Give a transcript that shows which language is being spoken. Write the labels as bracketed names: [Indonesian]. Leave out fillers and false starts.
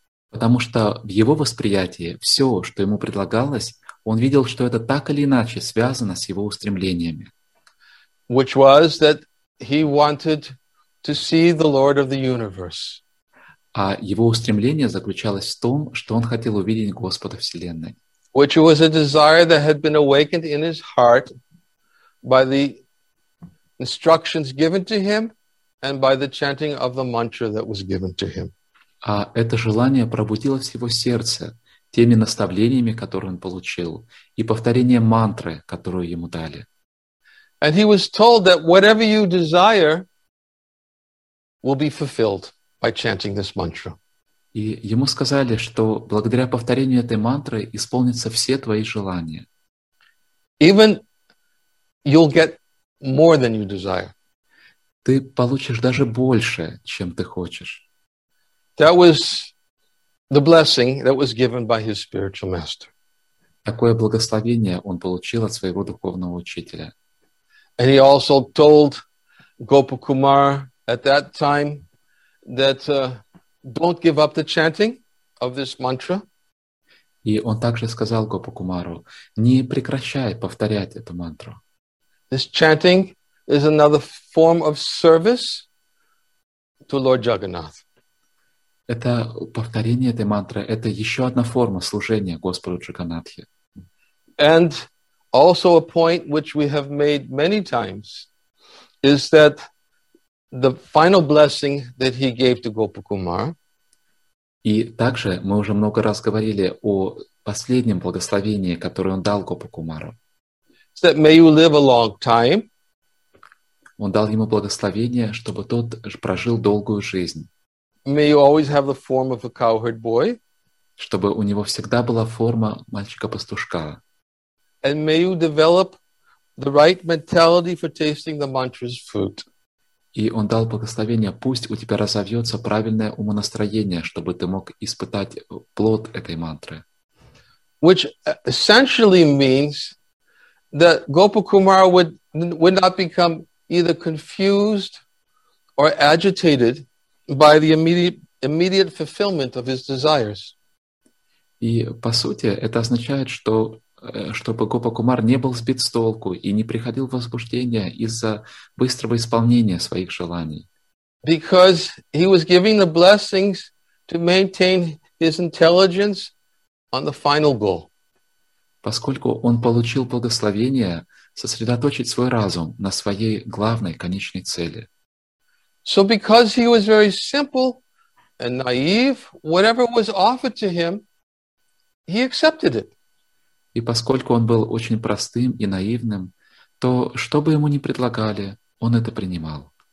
[Russian] Потому что в его восприятии все, что ему предлагалось, он видел, что это так или иначе связано с его устремлениями. [English] Which was that he wanted to see the Lord of the Universe. [Russian] А его устремление заключалось в том, что он хотел увидеть Господа Вселенной. [English] Which was a desire that had been awakened in his heart by the instructions given to him and by the chanting of the mantra that was given to him. [Russian] А это желание пробудилось в его сердце теми наставлениями, которые он получил, и повторением мантры, которую ему дали. [English] And he was told that whatever you desire will be fulfilled by chanting this mantra. [Russian] И ему сказали, что благодаря повторению этой мантры исполнятся все твои желания. [English] Even you'll get more than you desire. [Russian] Ты получишь даже больше, чем ты хочешь. [English] That was the blessing that was given by his spiritual master. [Russian] Такое благословение он получил от своего духовного учителя. [English] And he also told Gopa-kumar at that time that don't give up the chanting of this mantra. [Russian] И он также сказал Гопа-кумару, не прекращай повторять эту мантру. [English] This chanting is another form of service to Lord Jagannath. [Russian] Это повторение этой мантры, это еще одна форма служения Господу Джаганнатхе. [English] And also a point which we have made many times is that the final blessing that he gave to Gopa-kumar. [Russian] И также мы уже много раз говорили о последнем благословении, которое он дал Гопа-кумару. [English] That may you live a long time. [Russian] Он дал ему благословение, чтобы тот прожил долгую жизнь. [English] May you always have the form of a cowherd boy. [Russian] Чтобы у него всегда была форма мальчика-пастушка. [English] And may you develop the right mentality for tasting the mantra's fruit. [Russian] И он дал благословение, пусть у тебя разовьется правильное умонастроение, чтобы ты мог испытать плод этой мантры. [English] Which essentially means that Gopa-kumar would would not become either confused or agitated by the immediate fulfillment of his desires. [Russian] И по сути это означает, что Бхагава Кумар не был сбит с толку и не приходил в возбуждение из-за быстрого исполнения своих желаний. [English] Because he was giving the blessings to maintain his intelligence on the final goal. [Russian] Поскольку он получил благословение сосредоточить свой разум на своей главной конечной цели. [English] So because he was very simple and naive, whatever was offered to him, he accepted it. [Russian] И поскольку он был очень простым и наивным, то что бы ему ни предлагали, он это принимал.